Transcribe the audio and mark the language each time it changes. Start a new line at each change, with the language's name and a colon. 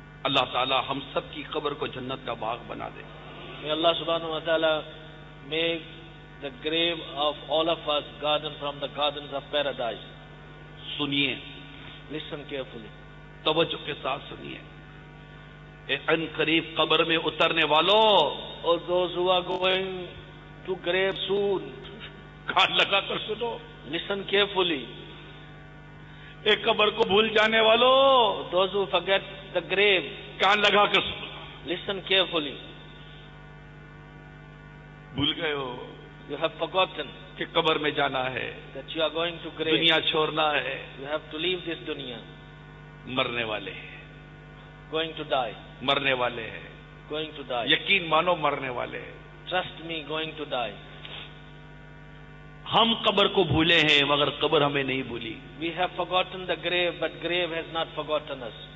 Urdu: اللہ تعالی ہم سب کی قبر کو جنت کا باغ بنا دے.
English: May Allah subhanahu wa ta'ala make the grave of all of us garden from the gardens of paradise.
Urdu: سنیے,
English: listen carefully,
Urdu: توجہ کے ساتھ سنیے. اے ان قریب قبر میں اترنے والو,
English: اور those who are going to grave soon,
Urdu: کان لگا کر سنو,
English: listen carefully.
Urdu: اے قبر کو بھول جانے والو,
English: those who forget the grave,
Urdu: کان لگا کر سنو,
English: listen carefully.
Urdu: بھول گئے ہو,
English: you have forgotten,
Urdu: کہ قبر میں جانا ہے,
English: that you are going to grave,
Urdu: دنیا چھوڑنا ہے,
English: you have to leave this dunya,
Urdu: مرنے والے ہیں,
English: going to die,
Urdu: مرنے والے ہیں,
English: going to die,
Urdu: یقین مانو مرنے والے ہیں,
English: trust me, going to die.
Urdu: ہم قبر کو بھولے ہیں مگر قبر ہمیں نہیں بھولی.
English: We have forgotten the grave but grave has not forgotten us.